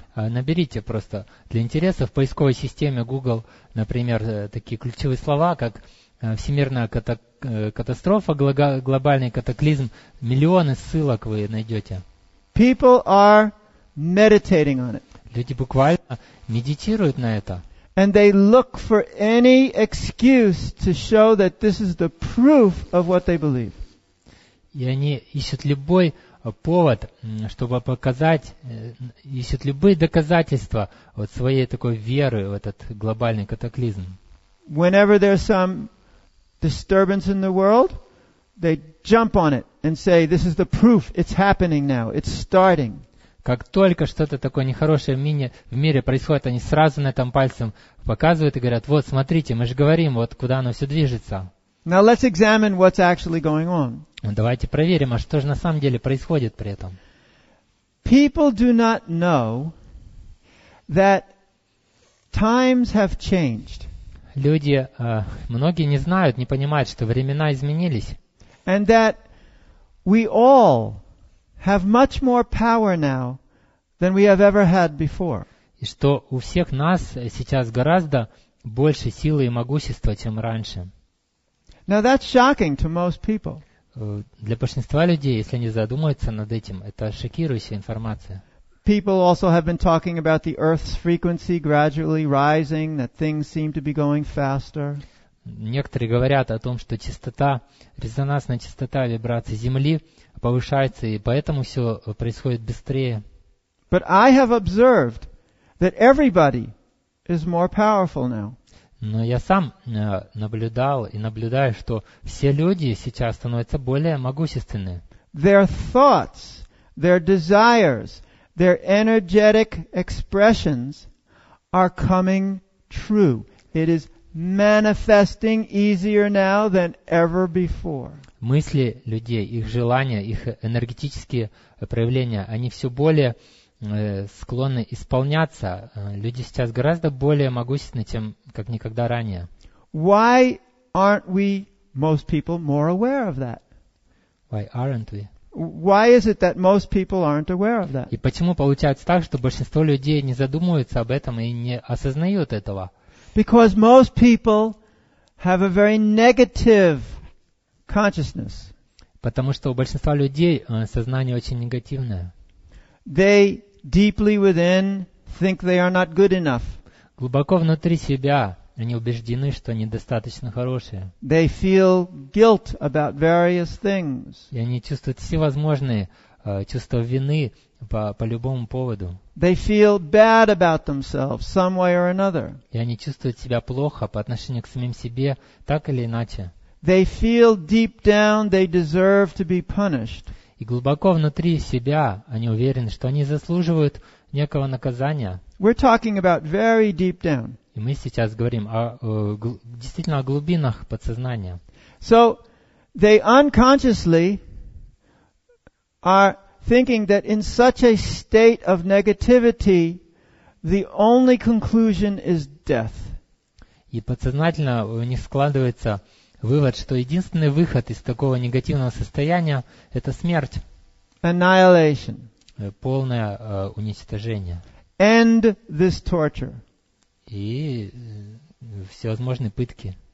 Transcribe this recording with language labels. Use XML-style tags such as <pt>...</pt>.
<ru>Наберите просто для интереса в поисковой системе Google, например, такие ключевые слова, как всемирная катастрофа, глобальный катаклизм, миллионы ссылок вы найдете.</ru> <en>People are meditating on it.</en> <ru>Люди буквально медитируют на это.</ru> <en>And they look for any excuse to show that this is the proof of what they believe.</en> <ru>И они ищут любой повод, чтобы показать, ищут любые доказательства вот своей такой веры в этот глобальный катаклизм.</ru> <en>Whenever there's some disturbance in the world, they jump on it and say, this is the proof, it's happening now, it's starting.</en> <ru>Как только что-то такое нехорошее в мире происходит, они сразу на этом пальцем показывают и говорят, вот смотрите, мы же говорим, вот куда оно все движется.</ru> <en>Now let's examine what's actually going on.</en> <ru>Давайте проверим, а что же на самом деле происходит при этом.</ru> <en>People do not know that times have changed.</en> <ru>Люди, многие не знают, не понимают, что времена изменились.</ru> <en>And that we all have much more power now than we have ever had before.</en> <ru>И что у всех нас сейчас гораздо больше силы и могущества, чем раньше.</ru> <en>Now that's shocking to most people.</en> <ru>Для большинства людей, если они задумаются над этим, это шокирующая информация.</ru> <en>People also have been talking about the Earth's frequency gradually rising, that things seem to be going faster.</en> <ru>Некоторые говорят о том, что частота, резонансная частота вибрации Земли повышается, и поэтому все происходит быстрее.</ru> <en>But I have observed that everybody is more powerful now.</en> <ru>Но я сам наблюдал и наблюдаю, что все люди сейчас становятся более могущественны.</ru> <en>Their thoughts, their desires, their energetic expressions are coming true. It is manifesting easier now than ever before.</en> <ru>Мысли людей, их желания, их энергетические проявления, они все более склонны исполняться. Люди сейчас гораздо более могущественны, чем как никогда ранее.</ru> <en>Why aren't we, most people, more aware of that? Why aren't we? Why is it that most people aren't aware of that?</en> <ru>И почему получается так, что большинство людей не задумываются об этом и не осознают этого?</ru> <en>Because most people have a very negative consciousness.</en> <ru>Потому что у большинства людей сознание очень негативное.</ru> <en>They deeply within think they are not good enough.</en> <ru>Глубоко внутри себя они убеждены, что они достаточно хорошие.</ru> <en>They feel guilt about various things.</en> <ru>И они чувствуют всевозможные чувства вины по любому поводу.</ru> <en>They feel bad about themselves some way or another.</en> <ru>И они чувствуют себя плохо по отношению к самим себе, так или иначе.</ru> <en>They feel deep down they deserve to be punished.</en> <ru>И глубоко внутри себя они уверены, что они заслуживают некого наказания.</ru> <en>We're talking about very deep down.</en> <ru>И мы сейчас говорим о, действительно о глубинах подсознания.</ru> <en>So they unconsciously are thinking that in such a state of negativity, the only conclusion is death.</en> <ru>И подсознательно у них складывается вывод, что единственный выход из такого негативного состояния – это смерть.</ru> <en>Annihilation.</en> <ru>Полное уничтожение.</ru> <en>End this torture.</en> <ru>И всевозможные пытки.</ru>